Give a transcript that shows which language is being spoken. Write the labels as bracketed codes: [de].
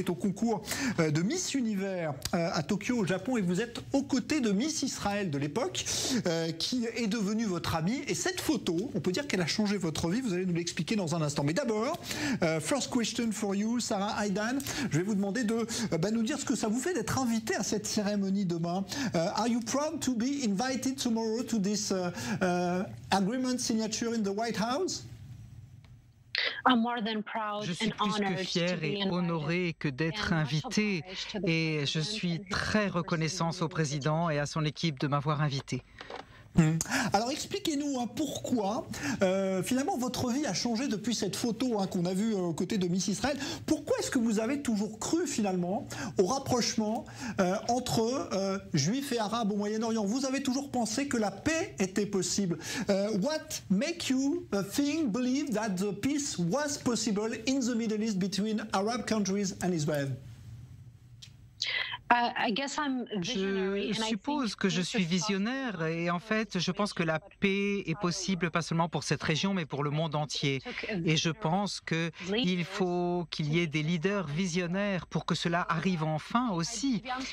[fr] C'était au concours de Miss Univers à Tokyo, au Japon, et vous êtes aux côtés de Miss Israël de l'époque, qui est devenue votre amie. Et cette photo, on peut dire qu'elle a changé votre vie, vous allez nous l'expliquer dans un instant. Mais d'abord, [en] first question for you, [fr] Sarah Aidan, je vais vous demander de nous dire ce que ça vous fait d'être invitée à cette cérémonie demain. [en] Are you proud to be invited tomorrow to this agreement signature in the White House? [fr] Je suis plus que fière et honorée que d'être invitée, et je suis très reconnaissante au président et à son équipe de m'avoir invitée. Alors expliquez-nous pourquoi finalement votre vie a changé depuis cette photo qu'on a vue aux côtés de Miss Israël. Pourquoi est-ce que vous avez toujours cru finalement au rapprochement entre juifs et arabes au Moyen-Orient? Vous avez toujours pensé que la paix était possible. [en] What make you think believe that the peace was possible in the Middle East between Arab countries and Israel? [fr] Je suppose que je suis visionnaire et en fait, je pense que la paix est possible pas seulement pour cette région, mais pour le monde entier. Et je pense qu'il faut qu'il y ait des leaders visionnaires pour que cela arrive enfin aussi.